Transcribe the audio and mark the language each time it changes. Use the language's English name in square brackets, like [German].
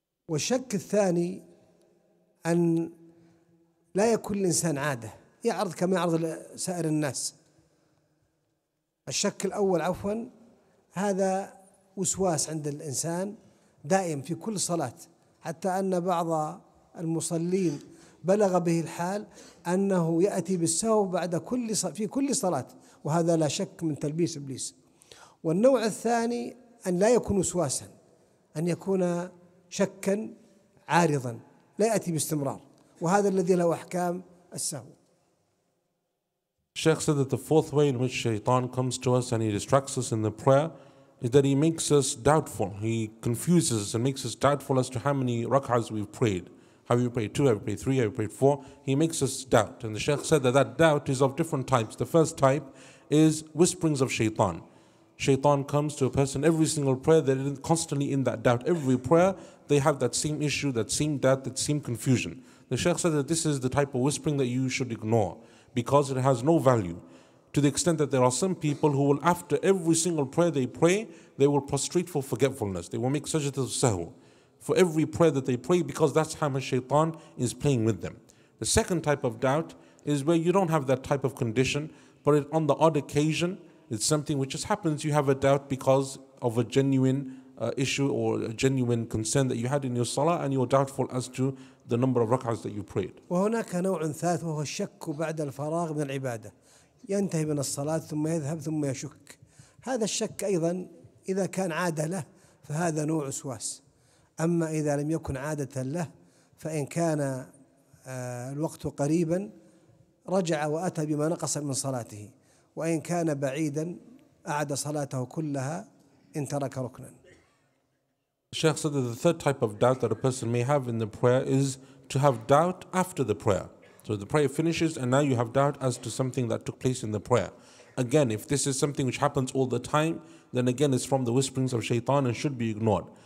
[Arabic] والشك الثاني أن لا يكون الإنسان عادة يعرض كما يعرض سائر الناس الشك الأول عفوا هذا وسواس عند الإنسان دائم في كل صلاة حتى أن بعض المصلين بلغ به الحال أنه يأتي بالسهو بعد كل في كل صلاة وهذا لا شك من تلبيس إبليس والنوع الثاني أن لا يكون وسواسا أن يكون شكا عارضا لا يأتي باستمرار وهذا الذي له أحكام السهو. [English] Shaykh said that the fourth way in which Shaytan comes to us and he distracts us in the prayer is that he makes us doubtful, he confuses us and makes us doubtful as to how many rak'ahs we've prayed. Have you prayed two, have you prayed three, have you prayed four? He makes us doubt. And the Shaykh said that that doubt is of different types. The first type is whisperings of Shaytan. Shaytan comes to a person every single prayer, they're constantly in that doubt. Every prayer, they have that same issue, that same doubt, that same confusion. The Shaykh said that this is the type of whispering that you should ignore because it has no value. To the extent that there are some people who will, after every single prayer they pray, they will prostrate for forgetfulness. They will make sajdat al-sahw for every prayer that they pray, because that's how much Shaytan is playing with them. The second type of doubt is where you don't have that type of condition, but it, on the odd occasion, it's something which just happens, you have a doubt because of a genuine issue or a genuine concern that you had in your salah, and you're doubtful as to the number of rak'ahs that you prayed. [Arabic] وهناك نوع ثالث وهو الشك بعد الفراغ من العبادة ينتهي من الصلاة ثم يذهب ثم يشك هذا الشك أيضا إذا كان عادة له فهذا نوع وسواس أما إذا لم يكن عادة له فإن كان الوقت قريبا رجع وأتى بما نقص من صلاته وإن كان بعيدا أعد صلاته كلها إن ترك ركنا. [English] Shaykh said that the third type of doubt that a person may have in the prayer is to have doubt after the prayer. So the prayer finishes and now you have doubt as to something that took place in the prayer. Again, if this is something which happens all the time, then again it's from the whisperings of Shaytan and should be ignored.